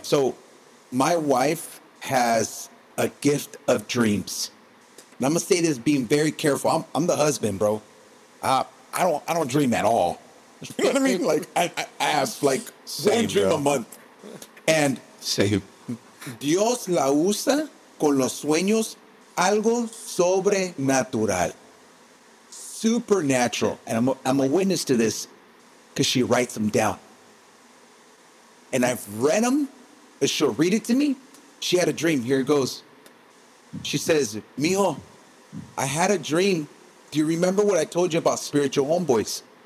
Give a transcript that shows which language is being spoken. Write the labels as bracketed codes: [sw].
[en] So my wife has a gift of dreams. And I'm going to say this being very careful. I'm the husband, bro. I don't dream at all. You know what I mean? Like, I have like one dream a month. And same. [es] Dios la usa con los sueños. Algo sobrenatural. Supernatural. [en] And I'm a witness to this because she writes them down. And I've read them. And she'll read it to me. She had a dream. Here it goes. She says, Mijo, I had a dream. Do you remember what I told you about spiritual homeboys?